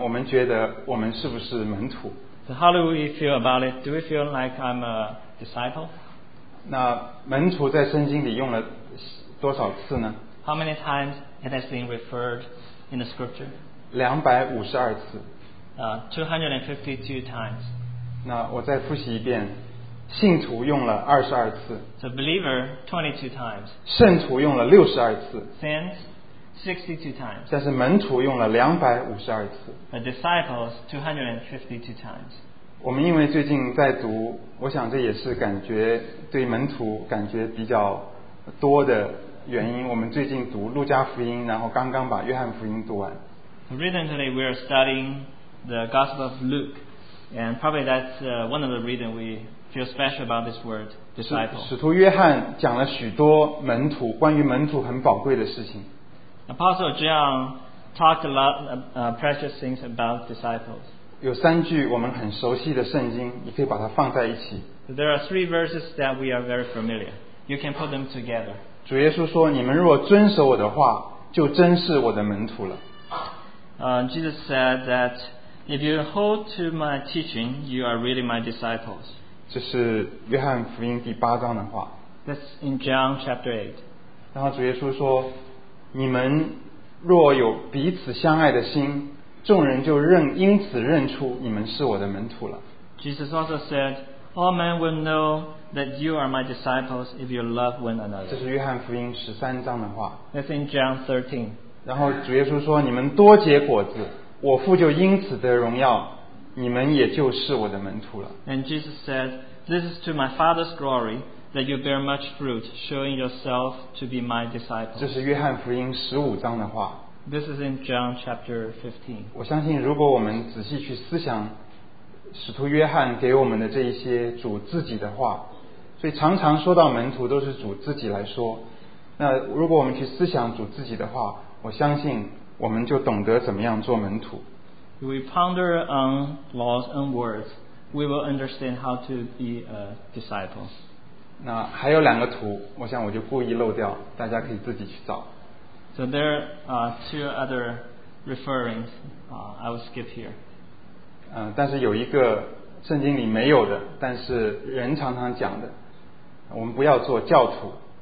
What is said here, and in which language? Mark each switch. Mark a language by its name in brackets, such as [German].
[Chinese] 我们觉得我们是不是门徒? [English] So how do we feel about it? Do we feel like I'm a disciple? [Chinese] 那门徒在圣经里用了多少次呢? [English] How many times it has been referred in the scripture? [Chinese] 252次。 [English] 252 times. [Chinese] 那我再复习一遍, 信徒用了22次。 [English] So believer, 22 times. [Chinese] 圣徒用了62次。 [English] Saints, 62 times. [Chinese] 但是门徒用了252次。 [English] The disciples, 252 times. [Chinese] 我们因为最近在读, 我想这也是感觉对门徒感觉比较多的, 原因我们最近读路加福音, 然后刚刚把约翰福音读完。 [English] Recently we are studying the Gospel of Luke, and probably that's one of the reasons we feel special about this word, disciple. [Chinese] 使徒约翰讲了许多门徒关于门徒很宝贵的事情。 [English] Apostle John talked a lot of precious things about disciples. [Chinese] 有3句我们很熟悉的圣经, 你可以把它放在一起。 [English] There are 3 verses that we are very familiar. You can put them together. [Chinese] 主耶稣说, 你们若遵守我的话, 就真是我的门徒了。 [English] Jesus said that if you hold to my teaching, you are really my disciples. [Chinese] 这是约翰福音第8章的话。 [English] That's in John chapter 8. [Chinese] 然后主耶稣说, 你们若有彼此相爱的心, 众人就认因此认出你们是我的门徒了。 [English] Jesus also said, all men will know that you are my disciples if you love one another. [Chinese] 这是约翰福音13章的话。 [English] That's in John 13. [Chinese] 然后主耶稣说, 你们多结果子, 我父就因此得荣耀, 你们也就是我的门徒了。 [English] And Jesus said, this is to my Father's glory that you bear much fruit, showing yourself to be my disciples. [Chinese] 这是约翰福音15章的话。 [English] This is in John chapter 15. [Chinese] 我相信如果我们仔细去思想, 使徒约翰给我们的这一些主自己的话, 所以常常说到门徒都是主自己来说, 那如果我们去思想主自己的话, 我相信我们就懂得怎么样做门徒。 [English] If we ponder on laws and words, we will understand how to be a disciple. [Chinese] 那还有2个图, 我想我就故意漏掉, 大家可以自己去找。 [English] So there are 2 other referrings, I will skip here. [Chinese] 但是有一个圣经里没有的, 但是人常常讲的, 我们不要做教徒。